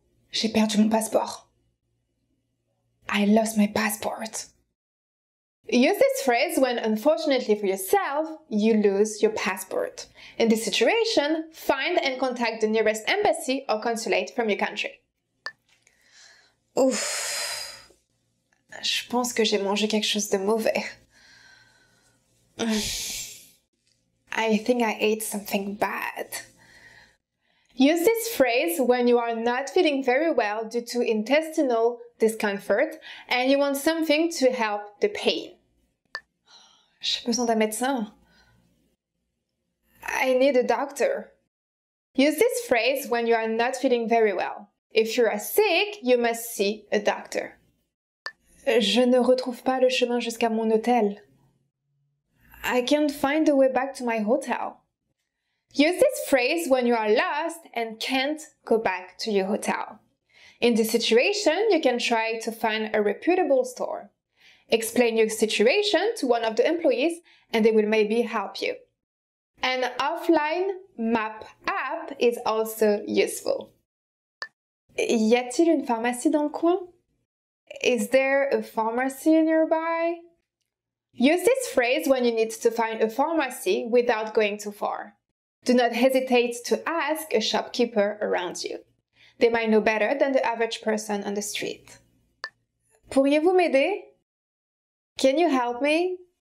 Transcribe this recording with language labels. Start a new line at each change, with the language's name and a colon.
French: J'ai perdu mon passeport.
English: I lost my passport. Use this phrase when, unfortunately for yourself, you lose your passport. In this situation, find and contact the nearest embassy or consulate from your country.
French: Ouf. Je pense que j'ai mangé quelque chose de mauvais.
English: I think I ate something bad. Use this phrase when you are not feeling very well due to intestinal discomfort and you want something to help the pain.
French: J'ai besoin d'un médecin.
English: I need a doctor. Use this phrase when you are not feeling very well. If you are sick, you must see a doctor.
French: Je ne retrouve pas le chemin jusqu'à mon hôtel.
English: I can't find the way back to my hotel. Use this phrase when you are lost and can't go back to your hotel. In this situation, you can try to find a reputable store. explain your situation to one of the employees and they will maybe help you. An offline map app is also useful.
French: Y a-t-il une pharmacie dans le coin?
English: Is there a pharmacy nearby? Use this phrase when you need to find a pharmacy without going too far. Do not hesitate to ask a shopkeeper around you. They might know better than the average person on the street.
French: Pourriez-vous m'aider?
English: Can you help me?